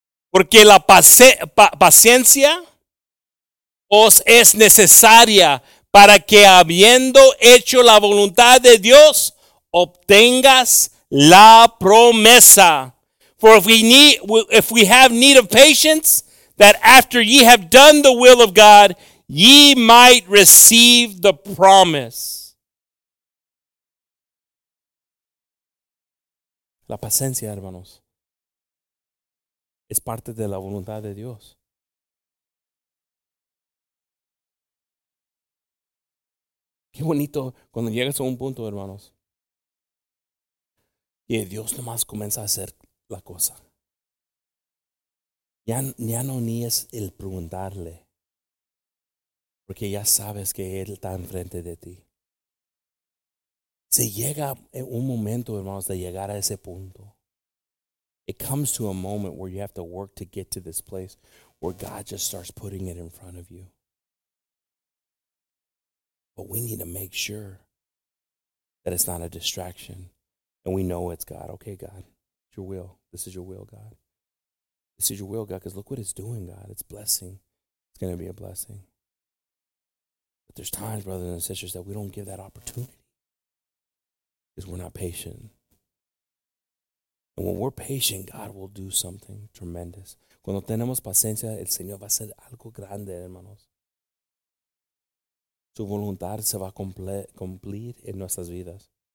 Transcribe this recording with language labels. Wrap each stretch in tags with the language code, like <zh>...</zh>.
<es>Porque la paciencia os es necesaria para que habiendo hecho la voluntad de Dios, obtengas la promesa.</es> <en>For if we have need of patience, that after ye have done the will of God, ye might receive the promise. La paciencia, hermanos, es parte de la voluntad de Dios. Qué bonito cuando llegas a un punto, hermanos, que Dios nomás comienza a hacer la cosa. Ya no es el preguntarle. Porque ya sabes que Él está enfrente de ti. Se llega en un momento, hermanos, de llegar a ese punto. It comes to a moment where you have to work to get to this place where God just starts putting it in front of you. But we need to make sure that it's not a distraction. And we know it's God. Okay, God, it's your will. This is your will, God. This is your will, God, because look what it's doing, God. It's blessing. It's going to be a blessing. But there's times, brothers and sisters, that we don't give that opportunity because we're not patient. And when we're patient, God will do something tremendous.</en> <es>Cuando tenemos paciencia, el Señor va a hacer algo grande, hermanos. Su voluntad se va a cumplir en nuestras vidas.</es>